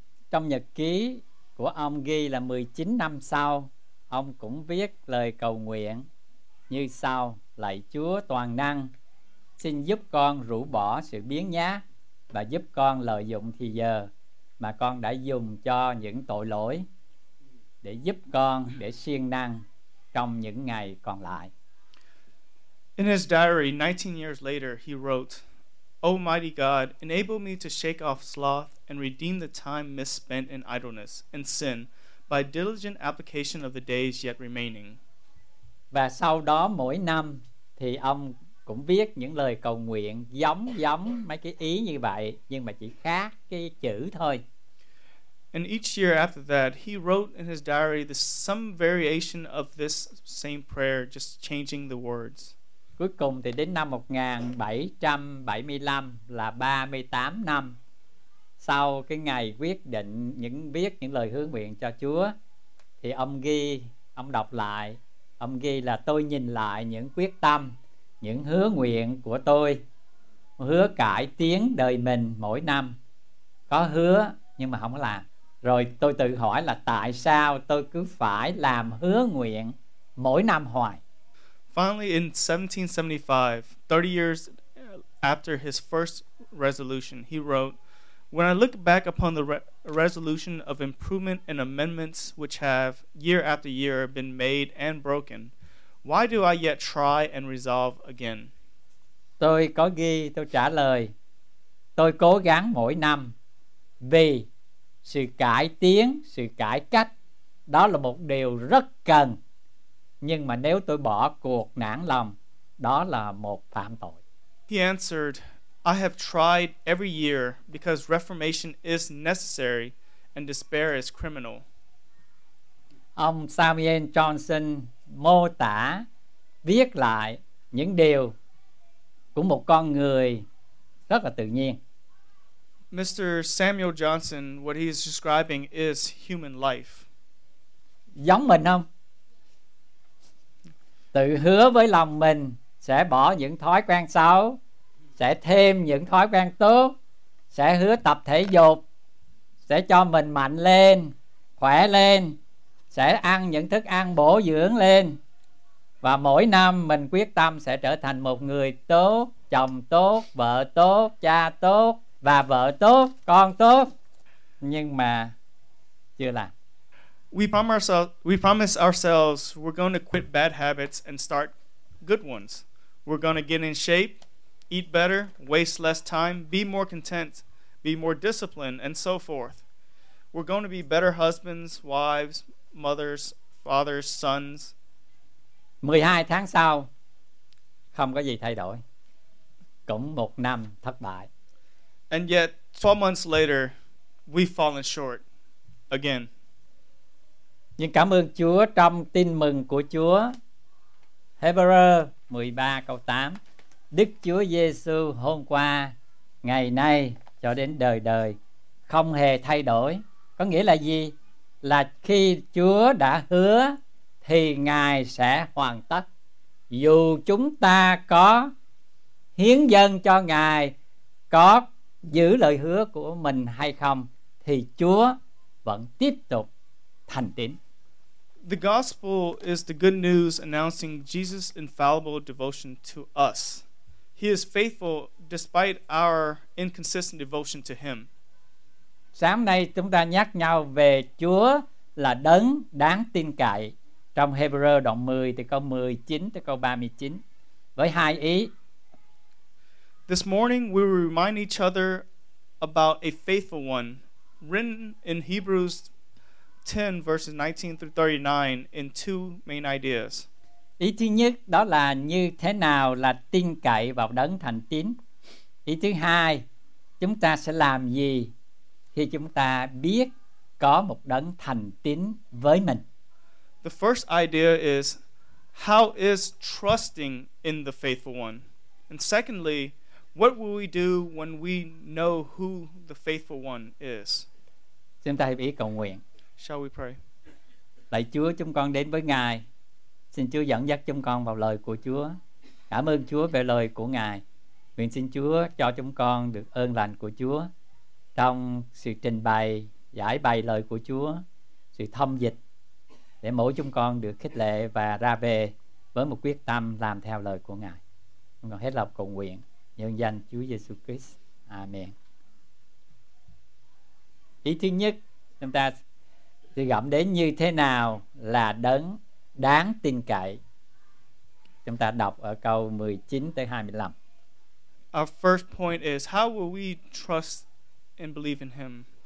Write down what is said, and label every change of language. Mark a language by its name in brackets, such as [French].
[Vietnamese] Trong nhật ký của ông ghi là 19 năm sau, ông cũng viết lời cầu nguyện như sau: Lạy Chúa toàn năng, xin giúp con rũ bỏ sự biếng nhá và giúp con lợi dụng thì giờ mà con đã dùng cho những tội lỗi, để giúp con để siêng năng trong những ngày còn lại. [English] In his diary, 19 years later, he wrote, O mighty God, enable me to shake off sloth and redeem the time misspent in idleness and sin by diligent application of the days yet remaining. [Vietnamese] Và sau đó mỗi năm thì ông cũng viết những lời cầu nguyện giống mấy cái ý như vậy, nhưng mà chỉ khác cái chữ thôi. [English] And each year after that, he wrote in his diary some variation of this same prayer, just changing the words. [Vietnamese] Cuối cùng thì đến năm 1775, là 38 năm sau cái ngày quyết định viết những lời hứa nguyện cho Chúa, thì ông đọc lại là: Tôi nhìn lại những quyết tâm, những hứa nguyện của tôi, hứa cải tiến đời mình mỗi năm, có hứa nhưng mà không có làm. Rồi tôi tự hỏi là tại sao tôi cứ phải làm hứa nguyện mỗi năm hoài. [English] Finally, in 1775, 30 years after his first resolution, he wrote, When I look back upon the resolution of improvement and amendments which have, year after year, been made and broken, why do I yet try and resolve again? [Vietnamese] Tôi có ghi, tôi trả lời, tôi cố gắng mỗi năm vì sự cải tiến, sự cải cách, đó là một điều rất cần. Nhưng mà nếu tôi bỏ cuộc nản lòng, đó là một phạm tội. [English] He answered, I have tried every year because reformation is necessary and despair is criminal. [Vietnamese] Ông Samuel Johnson mô tả, viết lại những điều của một con người rất là tự nhiên. [English] Mr. Samuel Johnson, what he is describing is human life. [Vietnamese] Giống mình không? Tự hứa với lòng mình sẽ bỏ những thói quen xấu, sẽ thêm những thói quen tốt, sẽ hứa tập thể dục, sẽ cho mình mạnh lên, khỏe lên, sẽ ăn những thức ăn bổ dưỡng lên, và mỗi năm mình quyết tâm sẽ trở thành một người tốt, chồng tốt, vợ tốt, cha tốt, và vợ tốt, con tốt, nhưng mà chưa làm. [English] We promise ourselves we're going to quit bad habits and start good ones. We're going to get in shape, eat better, waste less time, be more content, be more disciplined, and so forth. We're going to be better husbands, wives, mothers, fathers, sons. [Vietnamese] 12 tháng sau, không có gì thay đổi. Cũng một năm thất bại. [English] And yet, 12 months later, we've fallen short again. [Vietnamese] Nhưng cảm ơn Chúa trong tin mừng của Chúa, Hebrews 13 câu 8, Đức Chúa Giêsu hôm qua, ngày nay cho đến đời đời không hề thay đổi. Có nghĩa là gì? Là khi Chúa đã hứa thì Ngài sẽ hoàn tất. Dù chúng ta có hiến dâng cho Ngài, có giữ lời hứa của mình hay không, thì Chúa vẫn tiếp tục thành tín. [English] The gospel is the good news announcing Jesus' infallible devotion to us. He is faithful despite our inconsistent devotion to him. [Vietnamese] Sáng nay chúng ta nhắc nhau về Chúa là đấng đáng tin cậy. Trong Hebrews đoạn 10 từ câu 19 tới câu 39, với hai ý. [English] This morning we will remind each other about a faithful one, written in Hebrews 10 verses 19 through 39 in two main ideas. [Vietnamese] Ý thứ nhất đó là như thế nào là tin cậy vào đấng thành tín. Ý thứ hai, chúng ta sẽ làm gì khi chúng ta biết có một đấng thành tín với mình. [English] The first idea is how is trusting in the faithful one? And secondly, what will we do when we know who the faithful one is? [Vietnamese] Chúng ta hiệp ý cầu nguyện. [English] Shall we pray? [Vietnamese] Lạy Chúa, chúng con đến với Ngài. Xin Chúa dẫn dắt chúng con vào lời của Chúa. Cảm ơn Chúa về lời của Ngài. Nguyện xin Chúa cho chúng con được ơn lành của Chúa trong sự trình bày, giải bày lời của Chúa, sự thâm dịch, để mỗi chúng con được khích lệ và ra về với một quyết tâm làm theo lời của Ngài. Chúng con hết lòng cầu nguyện nhân danh Chúa Giêsu Christ. Amen. Ý thứ nhất, chúng ta sẽ gặp đến như thế nào là đấng đáng tin cậy. Chúng ta đọc ở câu 19 tới 25. [English] Our first point is how will we trust and believe in him?